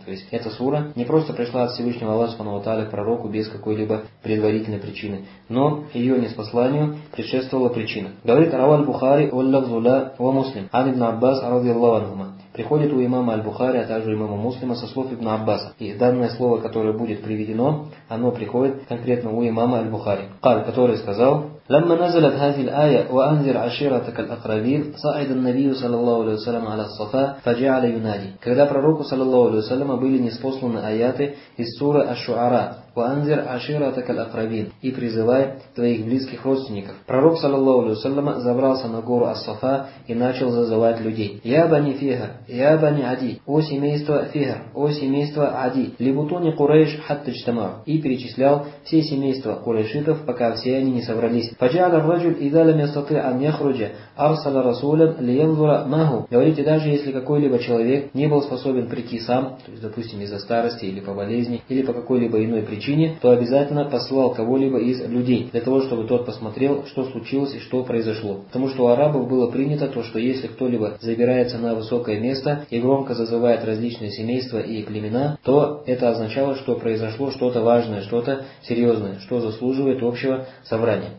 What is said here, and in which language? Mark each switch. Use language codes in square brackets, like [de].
[ru] То есть эта сура не просто пришла от Всевышнего Аллаха Субхану Тааля к пророку без какой-либо предварительной причины, но ее ниспосланию предшествовала причина. Говорит Раваль Бухари Валлахзуля ва Муслим Ан ибн Аббас радиаллаху анхума. Приходит у имама Аль-Бухари, а также у имама Муслима со слов ибн Аббаса. И данное слово, которое будет приведено, оно приходит конкретно у имама Аль-Бухари. [ar] Кал, [ru] который сказал: [ar] لما نزلت هذه الآية وأنذر عشيرتك الأقربين صعد النبي صلى الله عليه وسلم على الصفا فجعل ينادي. [ru] Когда пророку [ar] صلى الله عليه وسلم [ru] были ниспосланы аяты из суры Аш-Шуара, [ar] وأنذر عشيرتك الأقربين, [ru] и призывай твоих близких родственников. Пророк [ar] صلى الله عليه وسلم [ru] забрался на гору Ас-Сафа и начал зазывать людей. Я бани Фихр, я бани Ади, о семейство Фихр, о семейство Ади, либутуни Курейш хаттаджтама, и перечислял все семейства курейшитов, пока все они не собрались. [ar] فجعل الرجل إذا لم يستطع أن يخرج أرسل رسولا لينظر ما هو. [ru] Говорите, даже если какой-либо человек не был способен прийти сам, то есть, допустим, из-за старости или по болезни, или по какой-либо иной причине, то обязательно посылал кого-либо из людей, для того, чтобы тот посмотрел, что случилось и что произошло. Потому что у арабов было принято то, что если кто-либо забирается на высокое место и громко зазывает различные семейства и племена, то это означало, что произошло что-то важное, что-то серьезное, что заслуживает общего собрания.